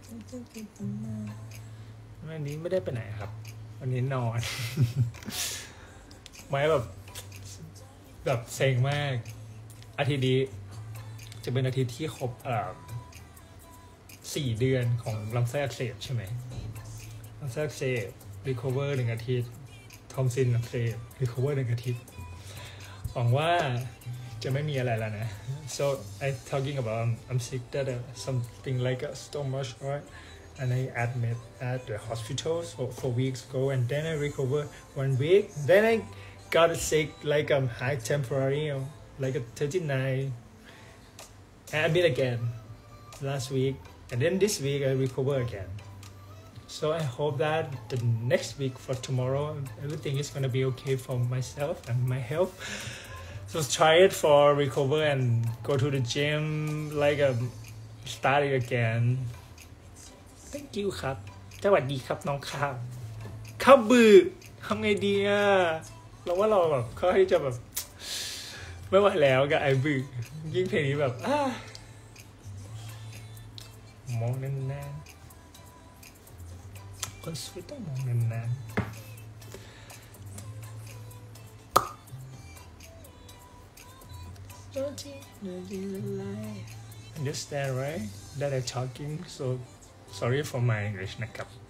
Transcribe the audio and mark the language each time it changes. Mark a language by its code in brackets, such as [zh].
[en] Thank you so much [th] วันนี้ไม่ได้ไปไหนครับวันนี้นอนไม่แบบเซ็งมากอาทิตย์นี้จะเป็นอาทิตย์ที่ครบ4เดือนของลำไส้อักเสบใช่ไหม ลำไส้อักเสบรีคอเวอร์1อาทิตย์ทอมซินอักเสบรีคอเวอร์1อาทิตย์หวังว่าจะไม่มีอะไรแล้วนะ [en] So I talking about I'm sick that something like a stomach right? And I admit at the hospital for weeks ago, and then I recover 1 week. Then I got sick, like high temporary, like a 39. I admit again last week, and then this week I recover again. So I hope that the next week for tomorrow, everything is gonna be okay for myself and my health. So try it for recover and go to the gym, like start it again. Thank you [th] ครับสวัสดีครับน้องข้าวข้าวบื้อทำไงดีอ่ะเราว่าเราแบบเขาให้จะแบบไม่ไหวแล้วกับไอ้บื้อยิ่งเพลงนี้แบบ มองแน่นๆคนสวยต้องมองแน่นๆ [en] Understand right that I talking soSorry for my English, Nakap.